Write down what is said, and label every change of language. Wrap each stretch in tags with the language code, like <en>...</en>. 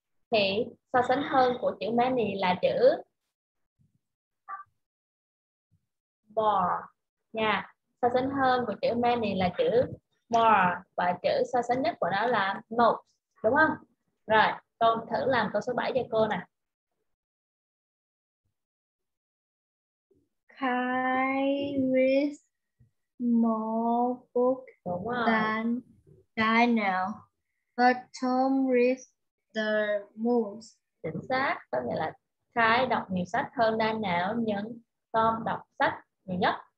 <vi>Thì so sánh hơn của chữ many là chữ more. Nha. So sánh hơn của chữ many là chữ more, và chữ so sánh nhất của nó là most, đúng không? Rồi, con thử làm câu số 7 cho cô nè.</vi> <en>Kai reads more books than Daniel, but Tom reads the most.</en> <vi>Chính xác, có nghĩa là Kai đọc nhiều sách hơn Daniel, nhưng Tom đọc sách nhiều nhất.</vi>